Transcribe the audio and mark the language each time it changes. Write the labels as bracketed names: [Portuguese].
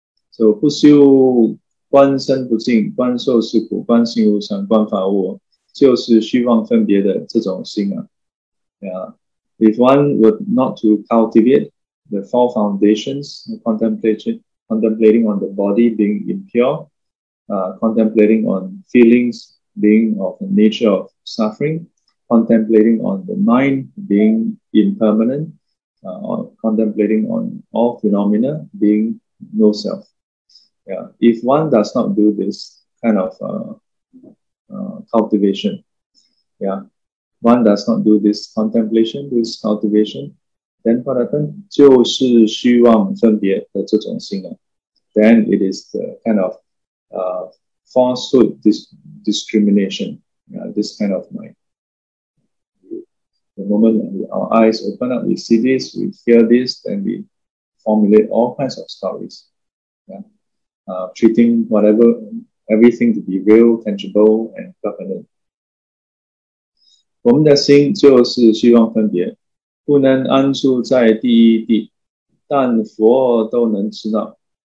[Chinese] So, 不修观身不净,观受是苦,观心无常,观法无我,就是虚妄分别的这种心啊。 [English] Yeah. If one would not to cultivate the four foundations, contemplating on the body being impure, contemplating on feelings being of the nature of suffering, contemplating on the mind being impermanent, contemplating on all phenomena being no self. Yeah. If one does not do this kind of cultivation, yeah, one does not do this contemplation, this cultivation, then what happens? [Chinese] 就是虚妄分别的这种心啊。 [English] Then it is the kind of falsehood discrimination, this kind of mind. The moment our eyes open up, we see this, we hear this, then we formulate all kinds of stories. Yeah? Treating whatever, everything to be real, tangible, and permanent. [Chinese] 我们的心就是虚妄分别，不能安住在第一地，但佛都能知道。